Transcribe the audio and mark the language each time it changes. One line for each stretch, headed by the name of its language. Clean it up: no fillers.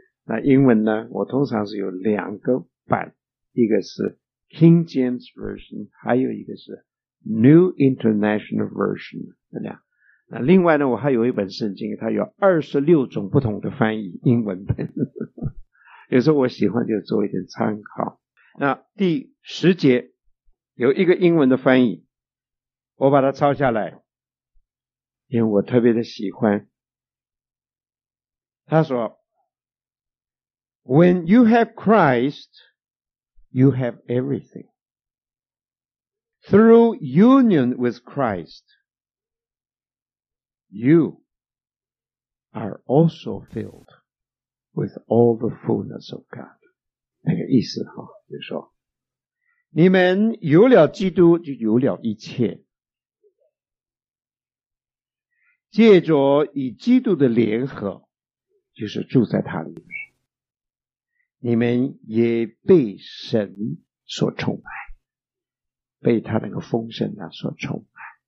Chinese: 那英文呢，我通常是有两个版，一个是King James Version， 还有一个是 New International Version， 那另外呢，我还有一本圣经，它有26种不同的翻译英文本。有时候我喜欢就做一点参考。那第十节有一个英文的翻译，我把它抄下来，因为我特别的喜欢。他说
English: ：“When you have Christ。” You have everything. Through union with Christ, you are also filled with all the fullness of God.
Chinese: 那个意思哈，就是说，你们有了基督，就有了一切。借着与基督的联合，就是住在他里面，你们也被神所充满，被他那个丰盛啊所充满。